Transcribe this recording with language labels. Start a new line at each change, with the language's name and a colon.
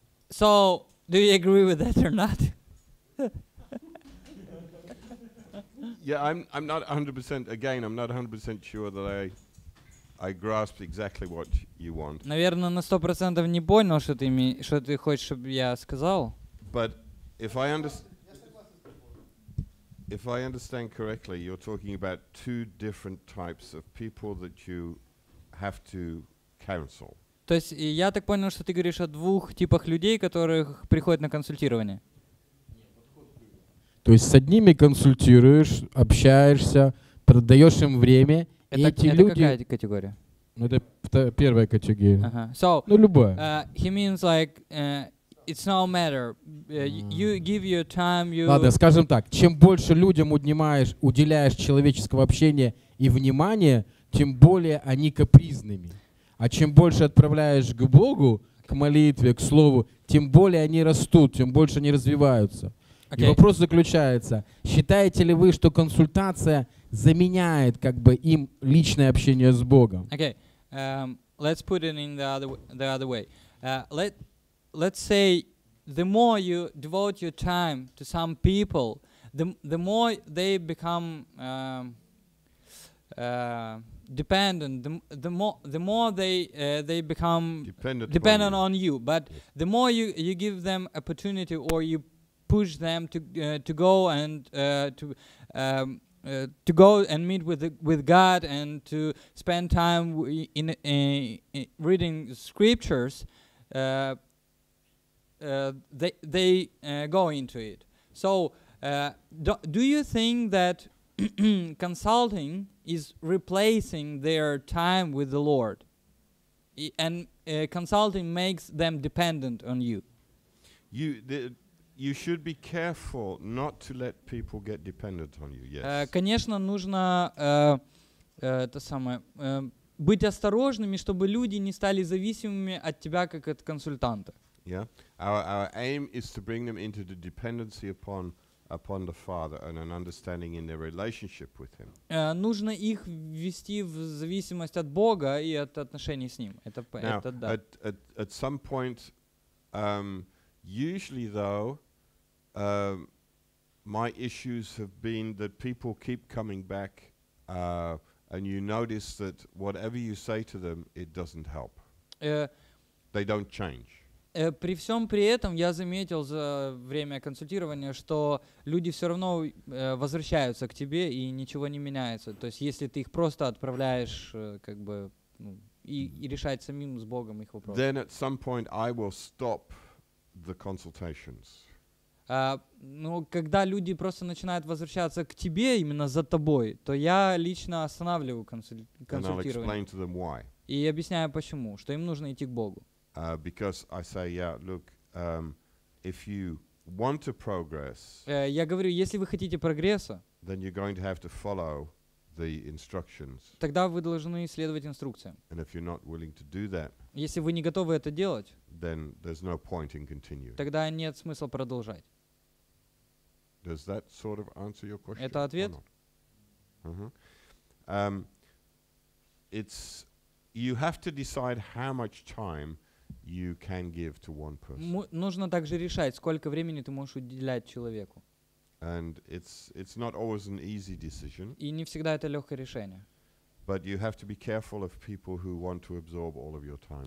English: So, do you agree with that or not? Yeah, I'm not 100% again. I'm not 100% sure that I grasp exactly what you want.
Russian: Наверное, на 100% не понял, что ты хочешь, чтобы я сказал.
English: But if I understand correctly, you're talking about two different types of people that you have to counsel.
Russian: То есть я так понял, что ты говоришь о двух типах людей, которых приходят на консультирование. То есть с одними консультируешь, общаешься, продаешь им время, это, и эти это люди. Это какая категория? Ну это первая категория.
English: Uh-huh. So,
Russian: ну любая.
English: He means like it's no matter. You give your time. You.
Russian: Ладно, скажем так. Чем больше людям уделяешь человеческого общения и внимания, тем более они капризными. А чем больше отправляешь к Богу, к молитве, к слову, тем более они растут, тем больше они развиваются.
English: Okay.
Russian: И вопрос заключается, считаете ли вы, что консультация заменяет как бы им личное общение с Богом?
English: Okay, let's put it in the other way. Let's say the more you devote your time to some people, the more they become dependent, the more they become dependent on you. But yes. The more you give them opportunity or you push them to go and to to go and meet with God and to spend time in reading scriptures, they go into it. So, do you think that consulting is replacing their time with the Lord, and consulting makes them dependent on you? You should be careful not to let people get dependent on you. Yes.
Russian: Конечно, нужно это самое быть осторожными, чтобы люди не стали зависимыми от тебя как от консультанта.
English: Yeah. Our aim is to bring them into the dependency upon the Father and an understanding in their relationship with Him.
Russian: Нужно их ввести в зависимость от Бога и от отношений с Ним. Это понятно, да.
English: Now, at some point, usually though, my issues have been that people keep coming back, and you notice that whatever you say to them, it doesn't help. They don't change.
Russian: При всем при этом я заметил за время консультирования, что люди все равно возвращаются к тебе и ничего не меняется. То есть если ты их просто отправляешь как бы и решать самим с Богом их вопросы.
English: Then at some point I will stop the consultations.
Russian: Но когда люди просто начинают возвращаться к тебе именно за тобой, то я лично останавливаю консультирование.
English: And I'll explain to them why.
Russian: И объясняю почему, что им нужно идти к Богу.
English: Because I say, yeah, look, if you want to progress,
Russian: я говорю, если вы хотите прогресса,
English: then you're going to have to follow the instructions.
Russian: Тогда вы должны следовать инструкциям.
English: And if you're not willing to do that,
Russian: если вы не готовы это делать,
English: then there's no point in continuing.
Russian: Тогда нет смысла продолжать.
English: Does that sort of answer your question?
Russian: Это ответ?
English: It's you have to decide how much time you can give to one person.
Russian: Нужно также решать, сколько времени ты можешь уделять человеку.
English: And it's not always an easy decision.
Russian: И не всегда это легкое решение.
English: But you have to be careful of people who want to absorb all of your time.